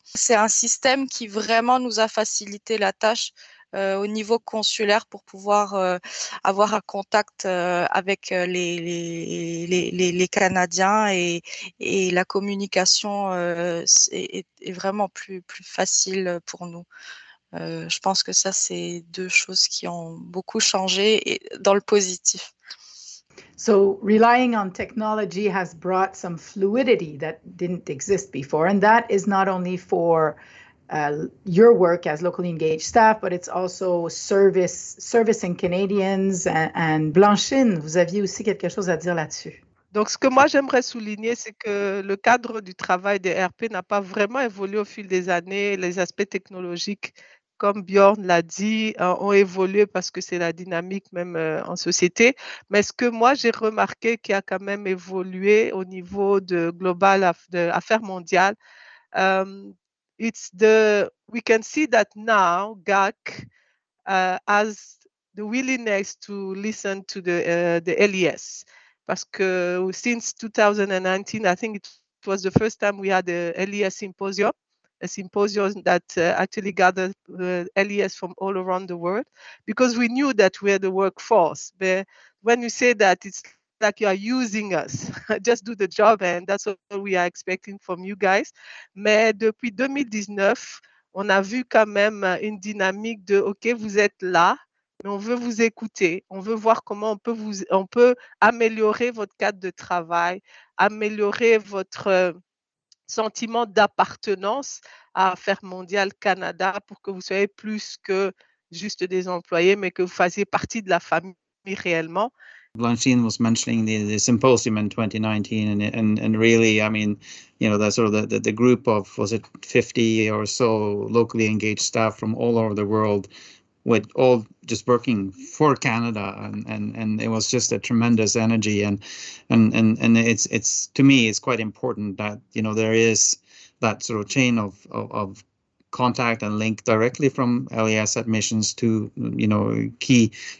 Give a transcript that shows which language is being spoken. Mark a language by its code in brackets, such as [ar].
[fr] C'est un système qui vraiment nous a facilité la tâche au niveau consulaire pour pouvoir avoir un contact avec les Canadiens et la communication est vraiment plus facile pour nous. Je pense que ça, c'est deux choses qui ont beaucoup changé et dans le positif. [en] So relying on technology has brought some fluidity that didn't exist before, and that is not only for your work as locally engaged staff, but it's also servicing Canadians and Blanchine. [fr] Vous aviez aussi quelque chose à dire là-dessus. Donc, ce que moi, j'aimerais souligner, c'est que le cadre du travail des RP n'a pas vraiment évolué au fil des années. Les aspects technologiques, comme Bjorn l'a dit, ont évolué parce que c'est la dynamique même en société. Mais ce que moi, j'ai remarqué qui a quand même évolué au niveau de global, de affaires mondiales, [en] it's the, we can see that now GAC has the willingness to listen to the LES. [fr] Parce que [en] since 2019, I think it was the first time we had a LES symposium, a symposium that actually gathered the LES from all around the world, because we knew that we are the workforce. But when you say that, it's like you are using us. Just do the job, and that's what we are expecting from you guys. [fr] Mais depuis 2019, on a vu quand même une dynamique de, OK, vous êtes là, mais on veut vous écouter. On veut voir comment on peut améliorer votre cadre de travail, améliorer votre sentiment d'appartenance à Affaires mondiales Canada pour que vous soyez plus que juste des employés, mais que vous fassiez partie de la famille réellement. [en] Blanchine was mentioning the symposium in 2019, and really, I mean, you know, that sort of the group of, was it 50 or so locally engaged staff from all over the world, with all just working for Canada, and it was just a tremendous energy, and it's to me, it's quite important that, you know, there is that sort of chain of contact and link directly from LES admissions to, you know, key